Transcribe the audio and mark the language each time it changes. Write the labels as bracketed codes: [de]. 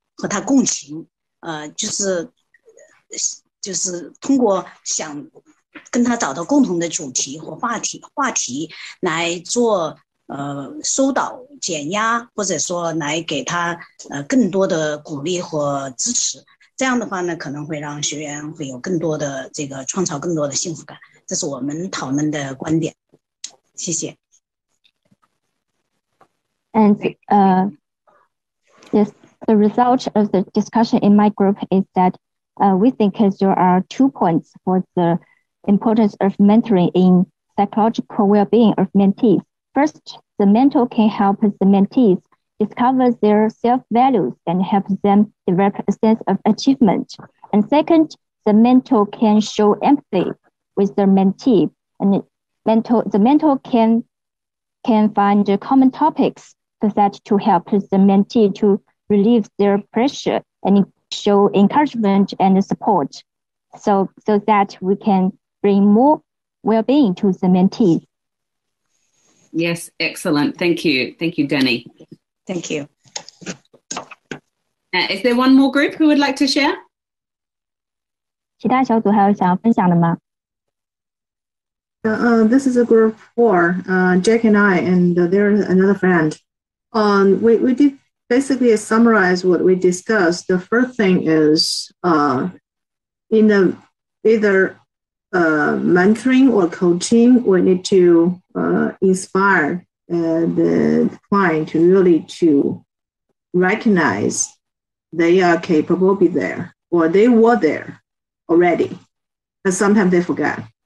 [zh] 和他共情，就是通过想跟他找到共同的主题和话题来做疏导减压，或者说来给他更多的鼓励和支持，这样的话呢可能会让学员会有更多的这个创造更多的幸福感，这是我们讨论的观点，谢谢。 [en] And yes, the result of the discussion in my group is that we think there are two points for the importance of mentoring in psychological well-being of mentees. First, the mentor can help the mentees discover their self-values and help them develop a sense of achievement. And second, the mentor can show empathy with the mentee. And the mentor can find the common topics for that to help the mentee to relieve their pressure and show encouragement and support so that we can bring more well-being to the mentee. Yes, excellent. Thank you. Thank you, Danny. Thank you. Is there one more group who would like to share? [zh] 其他小组还有想要分享的吗？ [en] This is a group four, Jack and I, and there is another friend. We did basically summarize what we discussed. The first thing is in either mentoring or coaching, we need to inspire the client to really to recognize they are capable to be there, or they were there already, but sometimes they forget.